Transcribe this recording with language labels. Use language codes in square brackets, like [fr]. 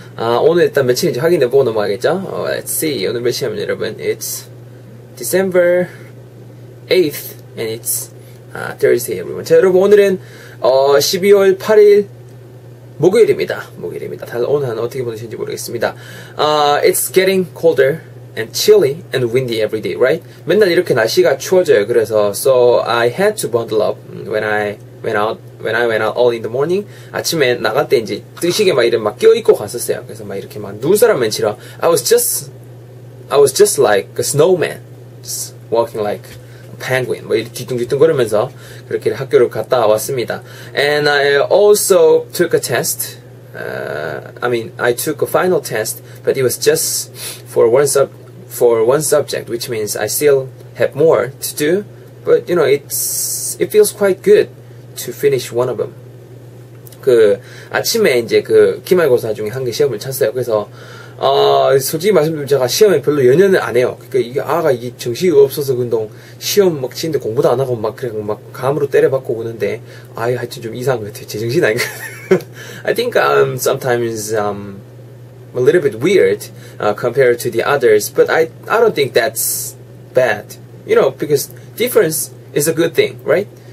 [ko] 아, 오늘 일단 며칠인지 확인해 보고 넘어가겠죠? [en] Let's see. [ko] 오늘 며칠이냐면 여러분, [en] it's December 8th and it's Thursday, everyone. [ko] 자, 여러분, 오늘은 12월 8일 목요일입니다. 다들 오늘 하는 어떻게 보내시는지 모르겠습니다. [en] It's getting colder and chilly and windy every day, right? [ko] 맨날 이렇게 날씨가 추워져요. [en] 그래서 so I had to bundle up when I went out early in the morning. [ko] 아침에 나갈 때 이제 뜨시게 막 이런 막 껴입고 갔었어요. 그래서 막 이렇게 막 누운 사람 맨치라 [en] I was just like a snowman, just walking like a penguin. [ko] 뭐 이렇게 뒤뚱뒤뚱거리면서 그렇게 학교를 갔다 왔습니다. [en] And I also took a test. I took a final test, but it was just for one subject, which means I still have more to do. But you know, it feels quite good to finish one of them. [ko] 그 아침에 이제 그 기말고사 중에 한 개 시험을 쳤어요. 그래서 솔직히 말씀드리면 제가 시험에 별로 연연을 안 해요. 그러니까 이게 아가 이게 정신이 없어서 운동 시험 막 치는데 공부도 안 하고 막 그냥 막 감으로 때려받고 오는데 아예 하여튼 좀 이상한 것 같아요. 제 정신 아닌가. [en] I think I'm sometimes a little bit weird compared to the others, but I don't think that's bad. You know, because difference is a good thing, right?